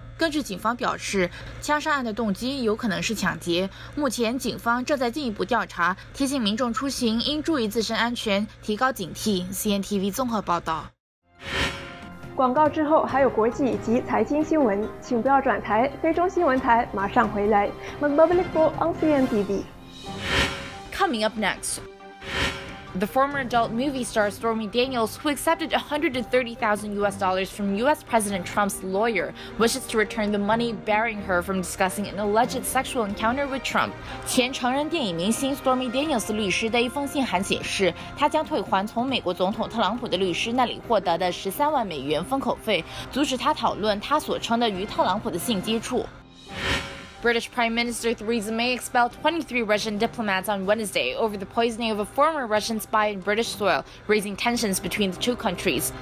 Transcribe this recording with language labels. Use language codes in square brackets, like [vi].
[zh] 根据警方表示，枪杀案的动机有可能是抢劫，目前警方正在进一步调查，提醒民众出行应注意自身安全，提高警惕。 CNTV 综合报道。广告之后还有国际以及财经新闻，请不要转台，菲中新闻台马上回来。 [tl] Mababalik po ang CNTV. [en] Coming up next, the former adult movie star Stormy Daniels, who accepted $130,000 from US President Trump's lawyer, wishes to return the money, barring her from discussing an alleged sexual encounter with Trump. [zh] 前成人电影明星 Stormy Daniels 律师的一封信函显示，他将退还从美国总统特朗普的律师那里获得的$130,000封口费，阻止他讨论他所称的与特朗普的性接触。 [en] British Prime Minister Theresa May expelled 23 Russian diplomats on Wednesday over the poisoning of a former Russian spy in British soil, raising tensions between the two countries.